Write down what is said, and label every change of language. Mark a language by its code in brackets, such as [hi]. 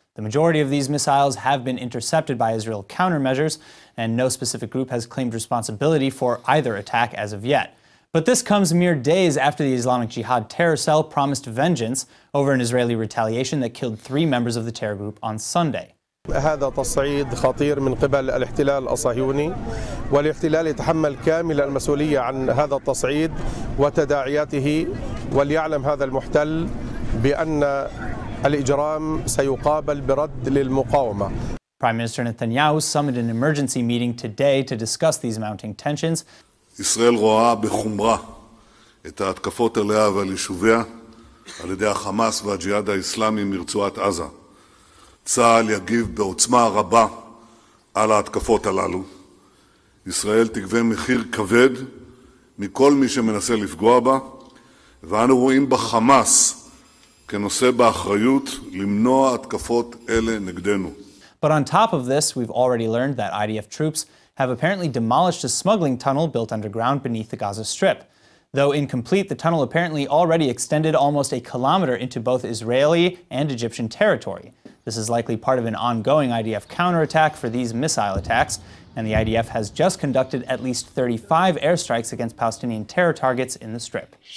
[en] The majority of these missiles have been intercepted by Israel countermeasures, and no specific group has claimed responsibility for either attack as of yet. But this comes mere days after the Islamic Jihad terror cell promised vengeance over an Israeli retaliation that killed three members of the terror group on Sunday. [ar] هذا تصعيد خطير من قبل الاحتلال الصهيوني والاحتلال يتحمل كامل المسؤولية عن هذا التصعيد وتداعياته وليعلم هذا المحتل بأن الإجرام سيقابل برد للمقاومة. [en] Prime Minister Netanyahu summoned an emergency meeting today to discuss these mounting tensions. [he] ישראל רואה בחומרה את ההתקפות עליה ועל יישוביה על ידי החמאס והג'יהאד האסלאמי מרצועת עזה. צה"ל יגיב בעוצמה רבה על ההתקפות הללו. ישראל תגבה מחיר כבד מכל מי שמנסה לפגוע בה, ואנו רואים בחמאס כנושא באחריות למנוע התקפות אלה נגדנו. [en] But on top of this, we've already learned that IDF troops have apparently demolished a smuggling tunnel built underground beneath the Gaza Strip. Though incomplete, the tunnel apparently already extended almost a kilometer into both Israeli and Egyptian territory. This is likely part of an ongoing IDF counterattack for these missile attacks, and the IDF has just conducted at least 35 airstrikes against Palestinian terror targets in the Strip.